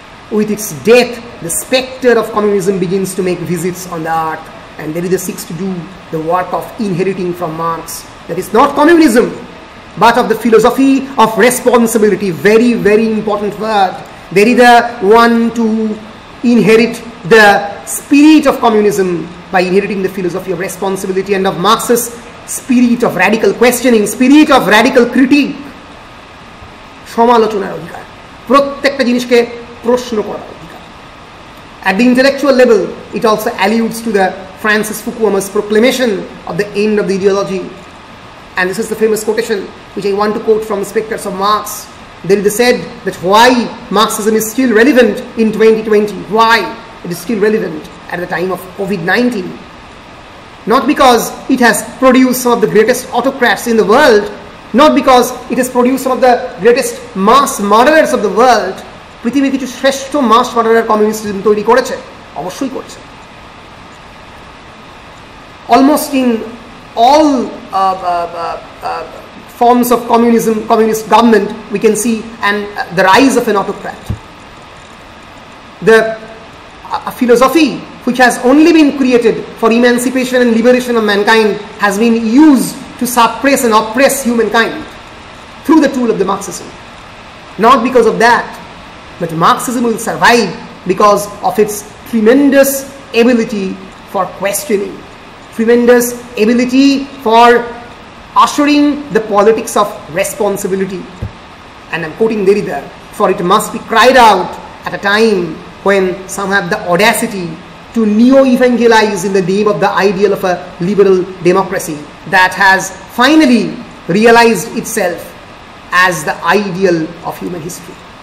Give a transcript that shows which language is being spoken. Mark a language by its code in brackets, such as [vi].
[en] With its death, the specter of communism begins to make visits on the earth, and Derrida seeks to do the work of inheriting from Marx, that is not communism, but of the philosophy of responsibility. Very, very important word. Derrida want to inherit the spirit of communism by inheriting the philosophy of responsibility and of Marx's spirit of radical questioning, spirit of radical critique. [bn] Samalochonar adhikar. Prottekta jinishke প্রশ্ন করা. [en] At the intellectual level, it also alludes to the Francis Fukuyama's proclamation of the end of the ideology. And this is the famous quotation which I want to quote from Spectres of Marx. Derrida said that why Marxism is still relevant in 2020, why it is still relevant at the time of COVID-19. Not because it has produced some of the greatest autocrats in the world, not because it has produced some of the greatest mass murderers of the world. [bn] পৃথিবী কিছু শ্রেষ্ঠ মাস মার্ডারের কমিউনিস্টিজম তৈরি করেছে, অবশ্যই করেছে. [en] Almost in all forms of communism, communist government, we can see an the rise of an autocrat. The philosophy which has only been created for emancipation and liberation of mankind has been use to suppress and oppress human kind through the tool of the Marxism. Not because of that, but Marxism will survive because of its tremendous ability for questioning, tremendous ability for ushering the politics of responsibility. And I'm quoting Derrida, for it must be cried out at a time when some have the audacity to neo-evangelize in the name of the ideal of a liberal democracy that has finally realized itself as the ideal of human history.